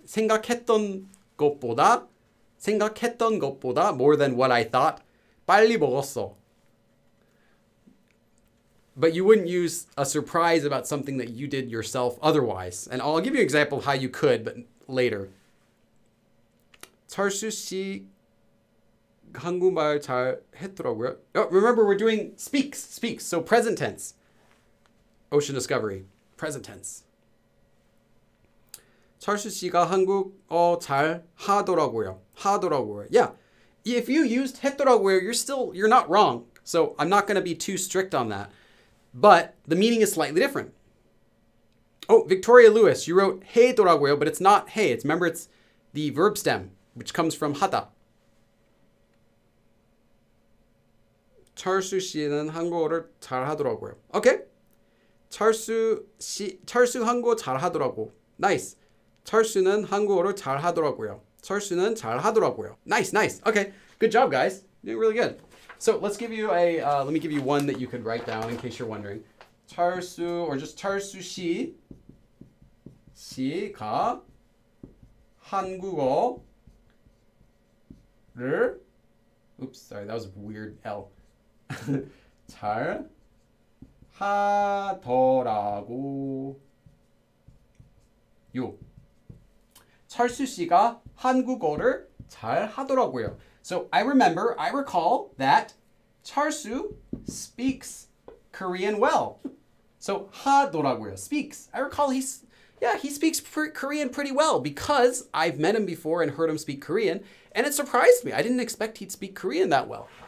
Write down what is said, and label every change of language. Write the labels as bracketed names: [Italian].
[Korean] 생각했던 것보다, 생각했던 것보다, [English] more than what I thought. [Korean] 빨리 먹었어. [English] But you wouldn't use a surprise about something that you did yourself otherwise. And I'll give you an example of how you could, but later. [Korean] 철수 씨 한국말 잘 했더라고요. [English] Oh, remember, we're doing speaks, so present tense. Ocean Discovery, present tense. [Korean] 철수 씨가 한국어 잘 하더라고요. 하더라고요. [English] Yeah, if you used 했더라고요, you're not wrong. So I'm not going to be too strict on that. But the meaning is slightly different. Oh, Victoria Lewis, you wrote 해더라고요, but it's not 해. Remember, it's the verb stem, which comes from 하다. [Korean] 철수 씨는 한국어를 잘 하더라고요. [English] Okay. 철수 [Korean] 한국어 잘 하더라고. [English] Nice. [Korean] 철수는 한국어를 잘 하더라고요. 철수는 잘 하더라고요. [English] Nice. Okay. Good job, guys. You're really good. So let's give you let me give you one that you could write down in case you're wondering. [Korean] 철수 [English] or just [Korean] 철수 씨 씨가 한국어를 [English] That was a weird L. [Korean] 잘 하더라고요. 철수 씨가 한국어를 잘 하더라고요. [English] So I recall that 철수 speaks Korean well. So 하더라고요, speaks. I recall he speaks Korean pretty well because I've met him before and heard him speak Korean, and it surprised me. I didn't expect he'd speak Korean that well.